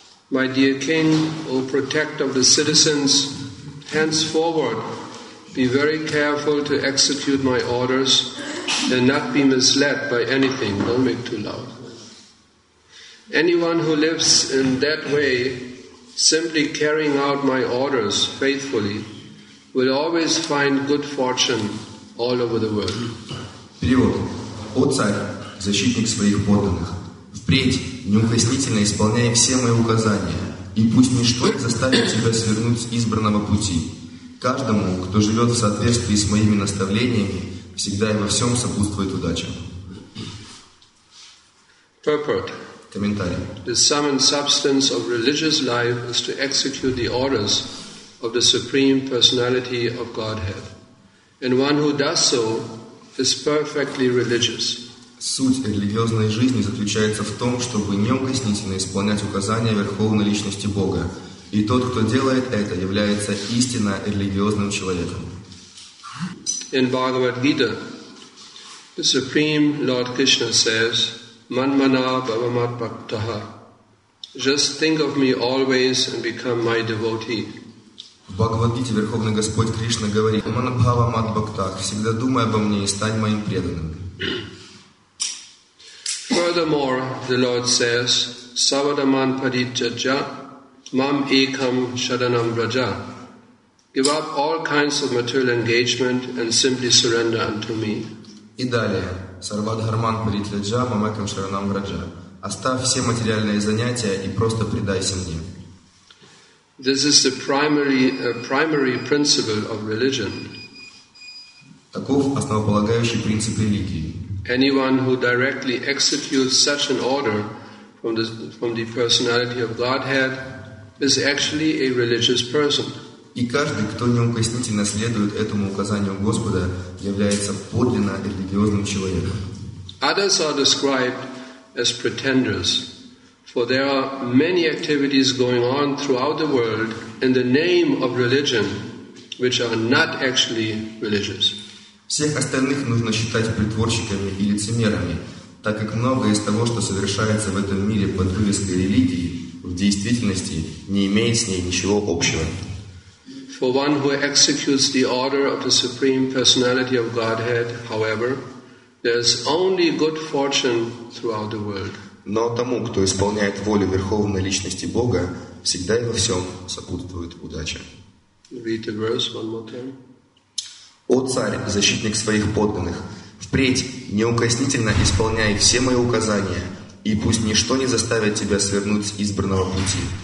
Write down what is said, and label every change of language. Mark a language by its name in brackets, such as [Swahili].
[English] My dear King, O Protector of the citizens, henceforward, be very careful to execute my orders and not be misled by anything. Don't make too loud. Anyone who lives in that way, simply carrying out my orders faithfully, will always find good fortune all over the world. [Russian] Перевод. О царь, защитник своих подданных, впредь неукоснительно исполняй все мои указания, и пусть ничто не заставит тебя свернуть с избранного пути. Каждому, кто живет в соответствии с моими наставлениями, всегда и во всем сопутствует удача. [English] Purport. [Russian] Комментарий. [English] The sum and substance of religious life is to execute the orders of the Supreme Personality of Godhead. And one who does so is perfectly religious. [Russian] Суть религиозной жизни заключается в том, чтобы неукоснительно исполнять указания Верховной Личности Бога. И тот, кто делает это, является истинно религиозным человеком. [English] In Bhagavad Gita, the Supreme Lord Krishna says, Manmana Bhavamat Bhaktaha. Just think of me always and become my devotee. [Russian] В Бхагавад-гите Верховный Господь Кришна говорит, Манмана Бхавамат Бхактах, всегда думай обо мне и стань моим преданным. [English] Furthermore, the Lord says, Savadaman Padijaja, Mam Ekam Shadanam Raja. Give up all kinds of material engagement and simply surrender unto me. [Russian] И далее, Сарвадхарман Падитаджа, Мам Экам Шаранам Раджа. Оставь все материальные занятия и просто предайся мне. [English] This is the primary principle of religion. [Russian] Таков основополагающий принцип религии. [English] Anyone who directly executes such an order from the personality of Godhead is actually a religious person. [Russian] И каждый, кто неукоснительно следует этому указанию Господа, является подлинно религиозным человеком. [English] Others are described as pretenders, for there are many activities going on throughout the world in the name of religion, which are not actually religious. [Russian] Всех остальных нужно считать притворщиками и лицемерами, так как многое из того, что совершается в этом мире под вывеской религии, в действительности не имеет с ней ничего общего. [English] For one who executes the order of the Supreme Personality of Godhead, however, there is only good fortune throughout the world. [Russian] Но тому, кто исполняет волю Верховной Личности Бога, всегда и во всем сопутствует удача. [English] Read the verse one more time. [Russian] О царь, защитник своих подданных, впредь неукоснительно исполняй все мои указания, и пусть ничто не заставит тебя свернуть с избранного пути.